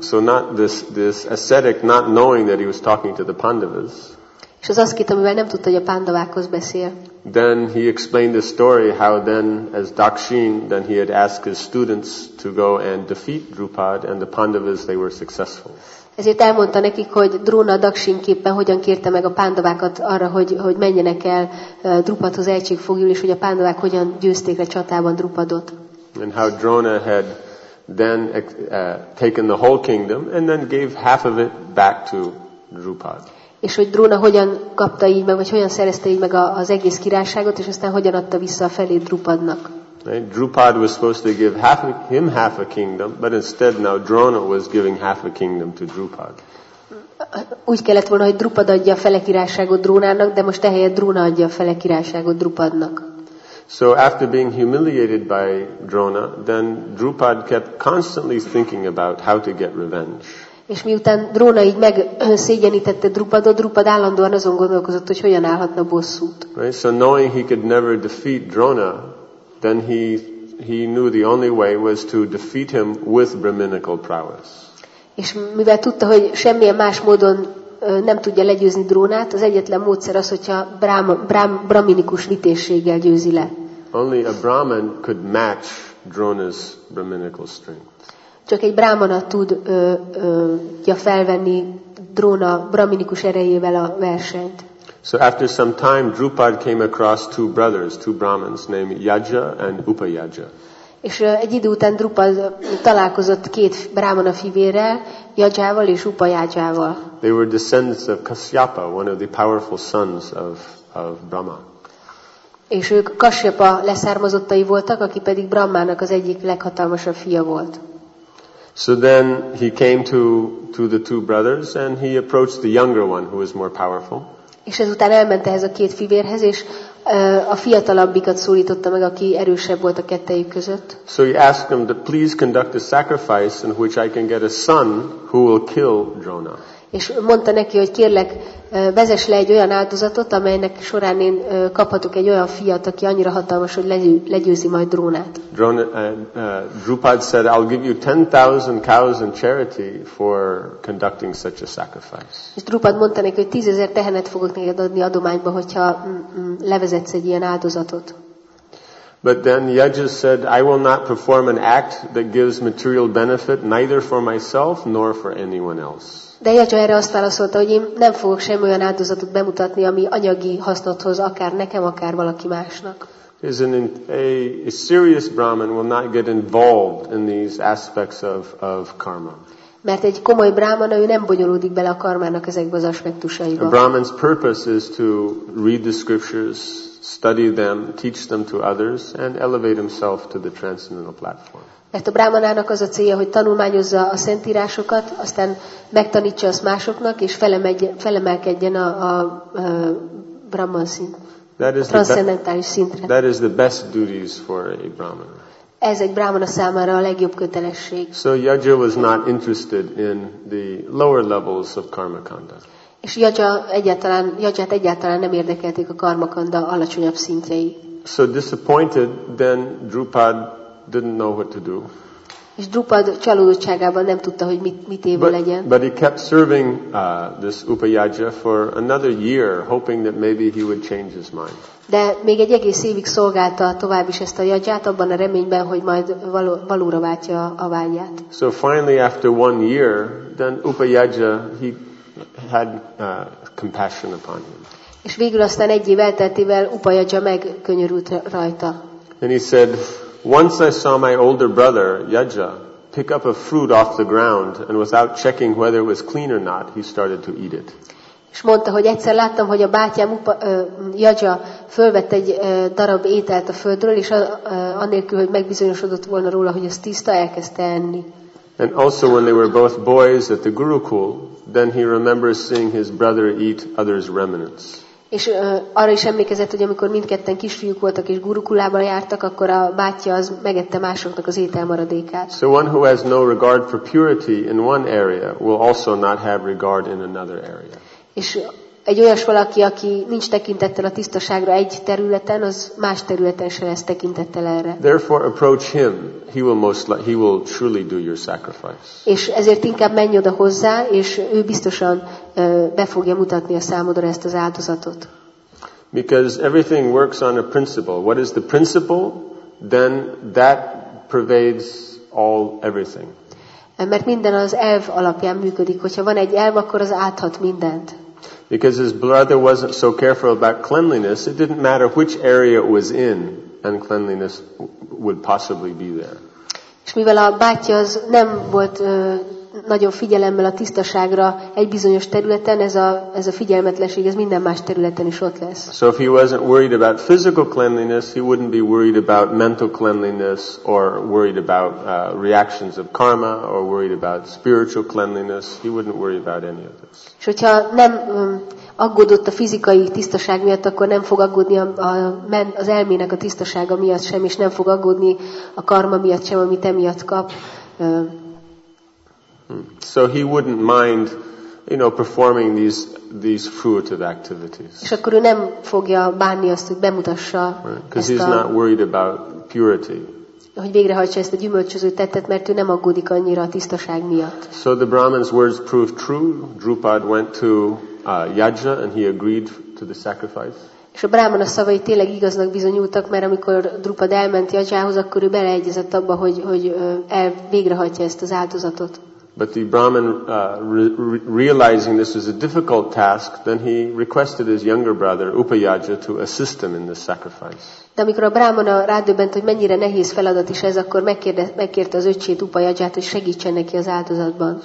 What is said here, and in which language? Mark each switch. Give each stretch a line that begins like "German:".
English: So not this ascetic, not knowing that he was talking to the Pandavas.
Hungarian: És az aszkét, amivel nem tudta, hogy a pándavákhoz beszél.
English: Then he explained the story how then as Dakshin then he had asked his students to go and defeat Drupad and the Pandavas they were successful.
Hungarian: Ezért elmondta nekik, hogy Drona Dakshinképpen hogyan kérte meg a pándavákat arra, hogy menjenek el Drupadhoz egységfoglyul, és hogy a pándavák hogyan győzték le csatában Drupadot.
English: And how Drona had then taken the whole kingdom and then gave half of it back to Drupad.
Hungarian: És hogy Drona hogyan kapta így meg, vagy hogyan szerezte így meg az egész királyságot, és aztán hogyan adta vissza a felét Drupadnak.
English: Right? Drupad was supposed to give him half a kingdom, but instead now Drona was giving half a kingdom to Drupad.
Hungarian: Úgy kellett volna, hogy Drupad adja a fele királyságot Drónának, de most ehelyett Drona adja a fele királyságot Drupadnak.
English: So after being humiliated by Drona, then Drupad kept constantly thinking about how to get revenge.
Hungarian: És miután Drona így megszégyenítette Drupadot, Drupad állandóan azon gondolkozott, hogy hogyan állhatna bosszút.
English: Right, so knowing he could never defeat Drona, then he knew the only way was to defeat him with brahminical prowess.
Hungarian: És mivel tudta, hogy semmilyen más módon nem tudja legyőzni Drónát, az egyetlen módszer az, hogyha brahminikus vitézséggel győzi le.
English: Only a brahman could match Drona's brahminical strength.
Hungarian: Csak egy brámana tudja felvenni Drona brahminikus erejével a versenyt.
English: So after some time, Drupad came across two brothers, two brahmins named Yaja and Upayaja.
Hungarian: És egy idő után Drupad találkozott két brámana fivérrel, Yajával és Upayajával.
English: They were descendants of Kasyapa, one of the powerful sons of Brahma.
Hungarian: És ők Kasyapa leszármazottai voltak, aki pedig Brahmának az egyik leghatalmasabb fia volt.
English: So then he came to the two brothers and he approached the younger one who was more powerful.
Hungarian: És ezután elment ehhez a két fivérhez, és a fiatalabbikat szólította meg, aki erősebb volt a kettejük között.
English: So he asked them to please conduct a sacrifice in which I can get a son who will kill Drona.
Hungarian: És mondta neki, hogy kérlek, vezess le egy olyan áldozatot, amelynek során én kaphatok egy olyan fiat, aki annyira hatalmas, hogy legyőzi majd Drónát.
English: Drupad said, I'll give you 10,000 cows in charity for conducting such a sacrifice.
Hungarian: És Drupad mondta neki, hogy 10,000 tehenet fogok neked adni adományba, hogyha levezetsz egy ilyen áldozatot.
English: But then Yaja said, I will not perform an act that gives material benefit neither for myself nor for anyone else.
Hungarian: De Jajja erre azt válaszolta, hogy én nem fogok sem olyan áldozatot bemutatni, ami anyagi hasznot hoz, akár nekem, akár valaki másnak.
English: A serious Brahman will not get involved in these aspects of karma.
Hungarian: Mert egy komoly Brahman, ő nem bonyolódik bele a karmának ezekbe az aspektusaiba.
English: A Brahman's purpose is to read the scriptures, study them, teach them to others, and elevate himself to the transcendental platform.
Hungarian: Mert a brahmanának az a célja, hogy tanulmányozza a szentírásokat, aztán megtanítsa azt másoknak, és felemelkedjen a brahman szint, transzcendentális szintre.
English: That is the best duties for a brahman.
Hungarian: Ez egy brahmana számára a legjobb kötelesség.
English: So Yajna was not interested in the lower levels of karma kanda.
Hungarian: És Yajnát egyáltalán nem érdekelték a karma kanda alacsonyabb szintjei.
English: So disappointed, then Drupad didn't know what to do.
Hungarian: És Drupad csalódottságában nem tudta, hogy mit évő legyen.
English: But he kept serving this Upayajna for another year, hoping that maybe he would change his mind.
Hungarian: De még egy egész évig szolgálta tovább is ezt a Yajnát, abban a reményben, hogy majd valóra váltja a vágyát.
English: So finally after one year, then Upayajna, he had compassion upon him.
Hungarian: És végül aztán egy év elteltével Upayajna megkönnyörült rajta.
English: And he said, once I saw my older brother, Yajna, pick up a fruit off the ground, and without checking whether it was clean or not, he started to eat it.
Hungarian: És mondta, hogy egyszer láttam, hogy a bátyám Yajna fölvett egy darab ételt a földről, és anélkül, hogy megbizonyosodott volna róla, hogy ez tiszta, elkezdte enni.
English: And also when they were both boys at the Gurukul, then he remembers seeing his brother eat others' remnants.
Hungarian: És arra is emlékezett, hogy amikor mindketten kisfiúk voltak és gurukulában jártak, akkor a bátyja az megette másoknak az ételmaradékát.
English: So one who has no regard for purity in one area will also not have regard in another area.
Hungarian: És egy olyas valaki, aki nincs tekintettel a tisztaságra egy területen, az más területen sem lesz tekintettel erre.
English: Therefore approach him, he will truly do your sacrifice.
Hungarian: És ezért inkább menj oda hozzá, és ő biztosan be fogja mutatni a számodra ezt az áldozatot.
English: Because everything works on a principle. What is the principle? Then that pervades all everything.
Hungarian: Mert minden az elv alapján működik. Hogyha van egy elv, akkor az áthat mindent.
English: Because his brother wasn't so careful about cleanliness, it didn't matter which area it was in, and cleanliness would possibly be there.
Hungarian: És mivel a bátyja az nem volt nagyon figyelemmel a tisztaságra egy bizonyos területen, ez a figyelmetlenség, ez minden más területen is ott lesz.
English: So if he wasn't worried about physical cleanliness, he wouldn't be worried about mental cleanliness, or worried about reactions of karma, or worried about spiritual cleanliness. He wouldn't worry about any of this.
Hungarian: És hogyha nem aggódott a fizikai tisztaság miatt, akkor nem fog aggódni az elmének a tisztasága miatt sem, és nem fog aggódni a karma miatt sem, amit emiatt kap.
English: So he wouldn't mind, you know, performing these fruitive activities.
Hungarian: És akkor ő nem fogja bánni azt, hogy bemutassa.
English: Because he's not worried about purity.
Hungarian: Hogy végrehajtsa ezt a gyümölcsöző tettet, mert ő nem aggódik annyira a tisztaság miatt.
English: So the Brahman's words proved true. Drupad went to Yajna and he agreed to the sacrifice.
Hungarian: És a brahmana szavai tényleg igaznak bizonyultak, mert amikor Drupad elment Yajnához, akkor ő beleegyezett abba, hogy végrehajtja ezt az áldozatot.
English: But the Brahman realizing this was a difficult task, then he requested his younger brother Upayajna to assist him in this sacrifice.
Hungarian: De amikor a brahmana rádöbbent, hogy mennyire nehéz feladat is ez, akkor megkérte az öcsét Upayajnát, hogy segítsen neki az áldozatban.